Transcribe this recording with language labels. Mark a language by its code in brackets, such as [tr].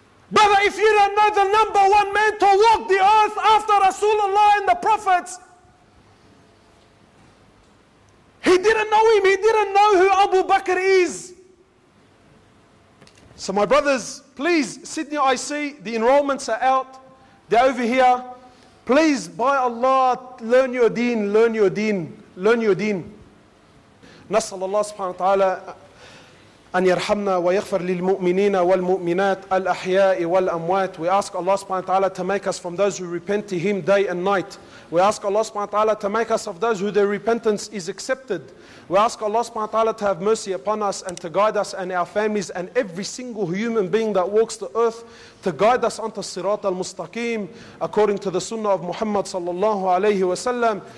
[en] Brother, if you don't know the number one man to walk the earth after Rasulullah and the prophets, he didn't know him. He didn't know who Abu Bakr is. So my brothers, please, Sydney IC, the enrollments are out. They're over here. Please, by Allah, learn your deen, learn your deen, learn your deen. [ar] نسأل الله سبحانه وتعالى أن يرحمنا ويغفر للمؤمنين والمؤمنات الأحياء والأموات. [en] We ask Allah [ar] سبحانه وتعالى [en] to make us from those who repent to Him day and night. We ask Allah [ar] سبحانه وتعالى [en] to make us of those who their repentance is accepted. We ask Allah subhanahu wa ta'ala to have mercy upon us and to guide us and our families and every single human being that walks the earth, to guide us onto Sirat al-Mustaqim according to the Sunnah of Muhammad sallallahu alayhi wa sallam.